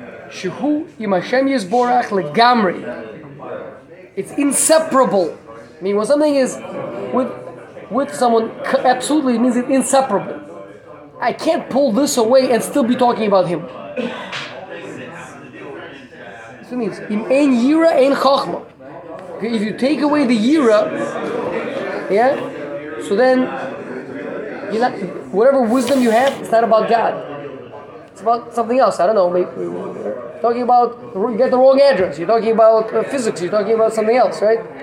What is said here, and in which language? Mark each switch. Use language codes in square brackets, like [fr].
[he] Shehu im Hashem yizborach legamri. [en] It's inseparable. I mean, when something is with someone, absolutely, it means it's inseparable. I can't pull this away and still be talking about him. So it means [he] im ein yira ein chachma. [en] If you take away the Yira, yeah, so then you know whatever wisdom you have, it's not about God. It's about something else. I don't know. Maybe talking about, you get the wrong address. You're talking about physics. You're talking about something else, right?